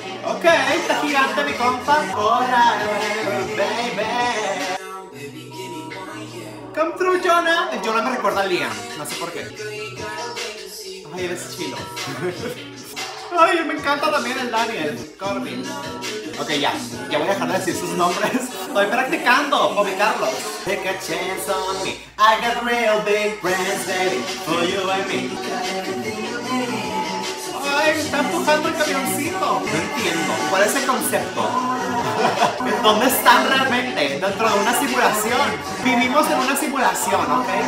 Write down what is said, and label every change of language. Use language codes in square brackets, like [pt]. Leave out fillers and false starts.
[es] Ok, está gigante mi compa. Hola, baby. [en] Come through, [es] Jonah. El Jonah me recuerda a Liam. No sé por qué. Ay, eres chilo. Ay, me encanta también el Daniel. Corbin. Ok, ya. Ya voy a dejar de decir sus nombres. Estoy practicando. Ubicarlos. [en] Take a chance on me. I got real big friends, baby. For you and me. [es] Ay, me está empujando el camioncito. No entiendo. ¿Cuál es el concepto? ¿Dónde están realmente? Dentro de una simulación. Vivimos en una simulación, ¿ok?